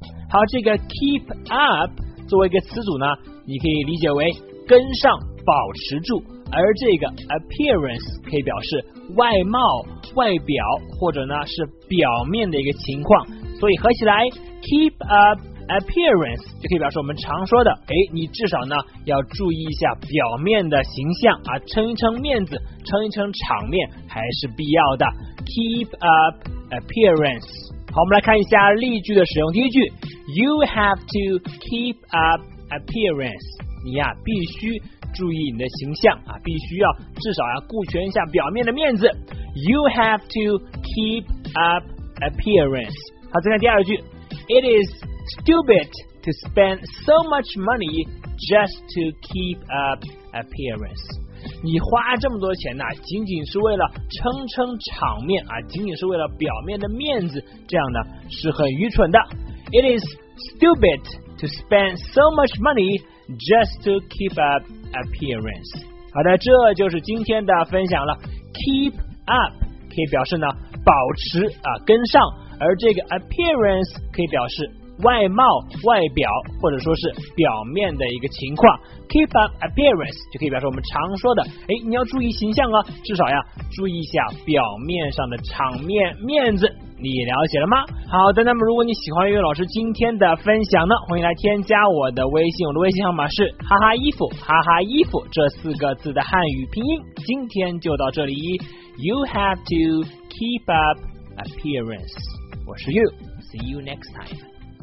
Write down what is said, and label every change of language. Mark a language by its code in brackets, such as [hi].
[zh] 好，这个 keep up 作为一个词组呢，你可以理解为跟上，保持住，而这个 appearance 可以表示外貌、外表，或者呢是表面的一个情况，所以合起来 keep up appearance 就可以表示我们常说的，哎，你至少呢要注意一下表面的形象啊，撑一撑面子，撑一撑场面还是必要的。 [en] Keep up appearance。 [zh] 好，我们来看一下例句的使用。第一句 [en] ，You have to keep up appearance。 [zh] 你呀，必须注意你的形象啊，必须要至少要顾全一下表面的面子。 [en] You have to keep up appearance。 [zh] 好，再看第二句 [en] ，It is stupid to spend so much money just to keep up appearance。 [zh] 你花这么多钱呢、啊，仅仅是为了撑撑场面啊，仅仅是为了表面的面子，这样呢是很愚蠢的。 [en] It is stupid to spend so much money just to keep up appearance。 [zh] 好的，这就是今天的分享了。Keep up 可以表示呢保持啊跟上，而这个 appearance 可以表示外貌、外表，或者说是表面的一个情况。 keep up appearance 就可以表示我们常说的，哎，你要注意形象啊，至少呀注意一下表面上的场面面子。你了解了吗？好的，那么如果你喜欢岳老师今天的分享呢，欢迎来添加我的微信，我的微信号码是哈哈衣服，哈哈衣服这四个字的汉语拼音。今天就到这里， [en] You have to keep up appearance。 [zh] 我是 [en] You， See you next time。